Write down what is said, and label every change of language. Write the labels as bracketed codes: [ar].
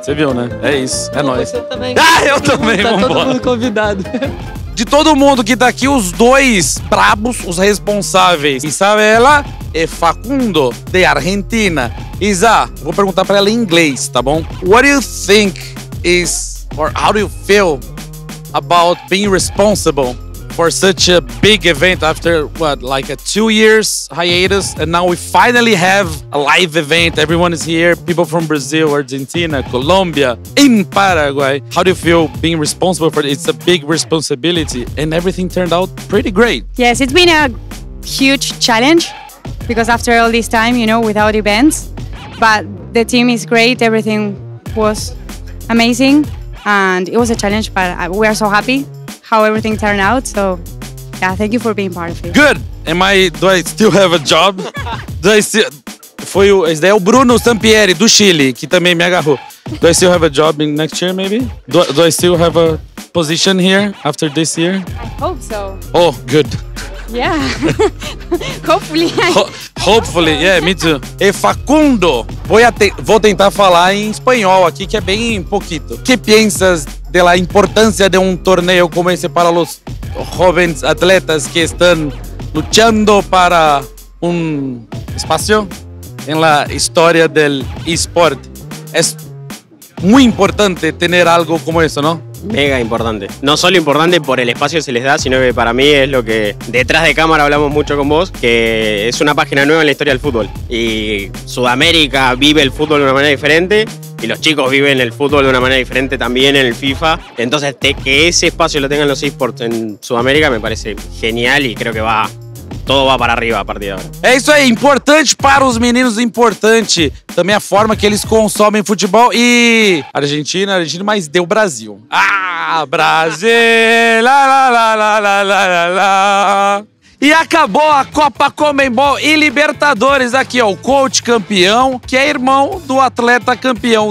[pt] Você viu, né? É isso. É nóis. Você também. Ah, eu também. Tá todo mundo convidado. De todo mundo que tá aqui, os dois brabos, os responsáveis. Isabela e Facundo, de Argentina. Isa, vou perguntar pra ela em inglês, tá bom? [en] What do you think is... Or how do you feel about being responsible for such a big event after, what, like a 2 years hiatus? And now we finally have a live event. Everyone is here. People from Brazil, Argentina, Colombia, in Paraguay. How do you feel being responsible for it? It's a big responsibility. And everything turned out pretty great. Yes, it's been a huge challenge because after all this time, you know, without events. But the team is great. Everything was amazing. And it was a challenge, but we are so happy how everything turned out. So, yeah, thank you for being part of it. Good. Do I still have a job? Do I still? [pt] Foi o, esse daí é o Bruno Sampieri do Chile que também me agarrou. [en] Do I still have a job in next year, maybe? Do I still have a position here after this year? I hope so. Oh, good. Yeah. Hopefully. Hopefully. Yeah, me too. [pt] E Facundo, vou tentar falar em espanhol aqui, que é bem pouquito. [es] Que pensas de la [pt] importância de um torneio como esse para os jovens atletas que estão lutando para um espaço em [es] la história del [pt] esporte? É muito importante ter algo como isso, não? Mega importante. [es] No solo importante por el espacio que se les da, sino que para mí es lo que detrás de cámara hablamos mucho con vos, que es una página nueva en la historia del fútbol. Y Sudamérica vive el fútbol de una manera diferente y los chicos viven el fútbol de una manera diferente también en el FIFA. Entonces, que ese espacio lo tengan los esports en Sudamérica me parece genial y creo que va... [pt] Todo vai para arriba a partir de agora. É isso aí, importante para os meninos, importante também a forma que eles consomem futebol e... Argentina, Argentina, mas deu Brasil. Ah, Brasil! Lá, lá, lá, lá, lá, lá, lá. E acabou a Copa Conmebol e Libertadores aqui, ó. O coach campeão, que é irmão do atleta campeão.